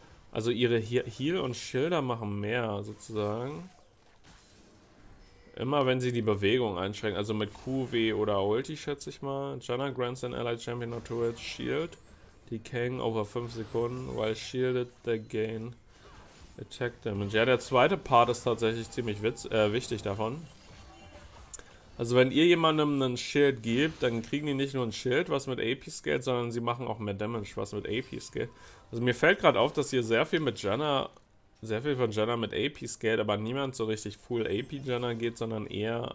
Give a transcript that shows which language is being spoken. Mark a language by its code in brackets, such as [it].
[de] Also ihre Heal und Schilder machen mehr sozusagen. Immer wenn sie die Bewegung einschränken, also mit Q, W oder Ulti, schätze ich mal. [en] Janna grants an ally champion or turret shield, decaying over 5 [de] Sekunden, [en] while shielded they gain attack damage. [de] Ja, der zweite Part ist tatsächlich ziemlich wichtig davon. Also wenn ihr jemandem einen Shield gebt, dann kriegen die nicht nur ein Shield, was mit AP scaled, sondern sie machen auch mehr Damage, was mit AP scaled. Also mir fällt gerade auf, dass ihr sehr viel mit Janna sehr viel von Janna mit AP scaled, aber niemand so richtig full AP Janna geht, sondern eher.